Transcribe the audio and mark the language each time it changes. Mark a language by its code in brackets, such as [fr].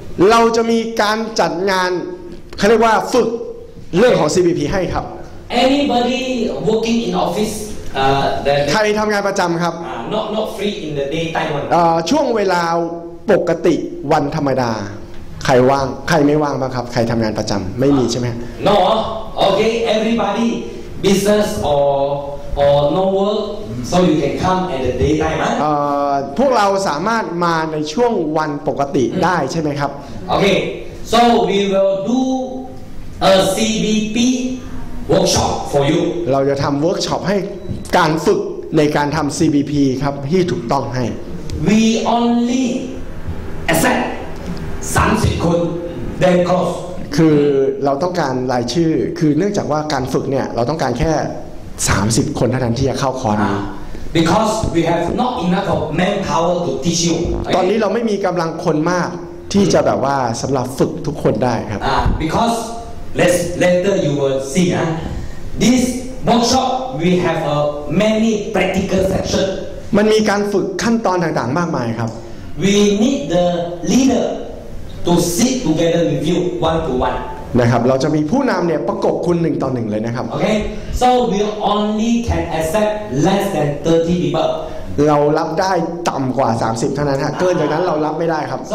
[th] เราจะมีการจัดงานเขาเรียกว่าฝึกเรื่องของ CBP ให้ครับ [en] Anybody working in office [th] ใครทำงานประจำครับ [en] Not free in the daytime one. [th] ช่วงเวลาปกติวันธรรมดาใครว่างใครไม่ว่างบ้างครับใครทำงานประจำไม่มีใช่ไหม [en] No okay everybody business or no work so you can come at the daytime [th] พวกเราสามารถมาในช่วงวันปกติได้ใช่ไหมครับ [en] Okay so we will do a CBP workshop for you [th] เราจะทำ workshop ให้การฝึกในการทำ CBP ครับที่ถูกต้องให้ [en] We only accept 30คน then close [th] คือเราต้องการรายชื่อคือเนื่องจากว่าการฝึกเนี่ยเราต้องการแค่30คนเท่านั้นที่จะเข้าคอร์ส [en] because we have not enough of manpower to teach you [th] ตอนนี้เราไม่มีกำลังคนมากที่จะแบบว่าสำหรับฝึกทุกคนได้ครับ [en] because later you will see this workshop we have a many practical session [th] มันมีการฝึกขั้นตอนต่างๆมากมายครับ [en] we need the leaderTo sit together with you one to one. [th] นะครับเราจะมีผู้นำเนี่ยประกบคุณหนึ่งต่อหนึ่งเลยนะครับ [en] Okay. So we only can accept less than 30 people. [th] เรารับได้ต่ำกว่า30เท่านั้นฮะเกินจากนั้นเรารับไม่ได้ครับ